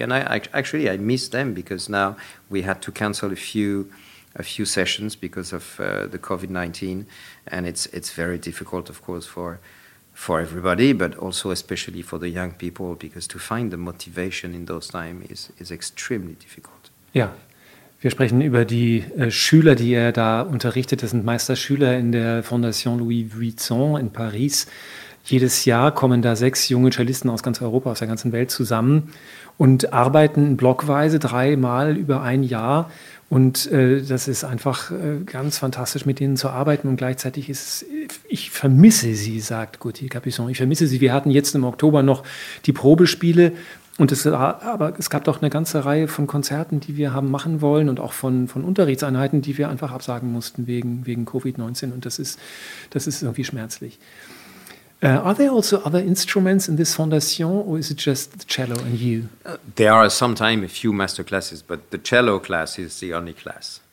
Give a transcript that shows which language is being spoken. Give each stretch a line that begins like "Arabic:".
English: And I actually miss them, because now we had to cancel a few sessions because of the COVID-19, and it's very difficult, of course, for everybody, but also especially for the young people, because to find the motivation in those times is extremely difficult.
German: Ja, wir sprechen über die Schüler, die er da unterrichtet. Das sind Meisterschüler in der Fondation Louis Vuitton in Paris. Jedes Jahr kommen da 6 junge Cellisten aus ganz Europa, aus der ganzen Welt zusammen und arbeiten blockweise 3-mal über 1 Jahr. Und das ist einfach ganz fantastisch, mit denen zu arbeiten. Und gleichzeitig ich vermisse sie, sagt Gauthier Capuçon. Ich vermisse sie. Wir hatten jetzt im Oktober noch die Probespiele. Aber es gab doch eine ganze Reihe von Konzerten, die wir haben machen wollen, und auch von Unterrichtseinheiten, die wir einfach absagen mussten wegen Covid-19. Und das ist irgendwie schmerzlich.
English: Are there also other instruments in this foundation, or is it just the cello and you? There are sometimes a few master classes, but the cello class is the only class.